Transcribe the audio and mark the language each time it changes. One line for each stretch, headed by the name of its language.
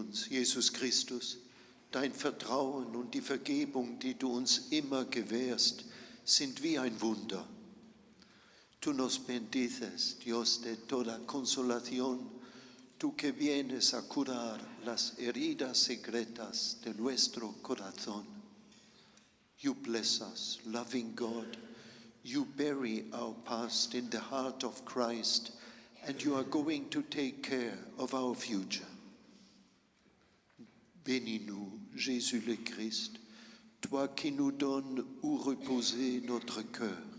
German: Jesus Christus, dein Vertrauen und die Vergebung, die du uns immer gewährst, sind wie ein Wunder.
Spanish: Tu nos bendices, Dios de toda consolación, tú que vienes a curar las heridas secretas de nuestro corazón.
English: You bless us, loving God. You bury our past in the heart of Christ, and you are going to take care of our future.
French: Bénis-nous, Jésus le Christ, toi qui nous donnes où reposer notre cœur.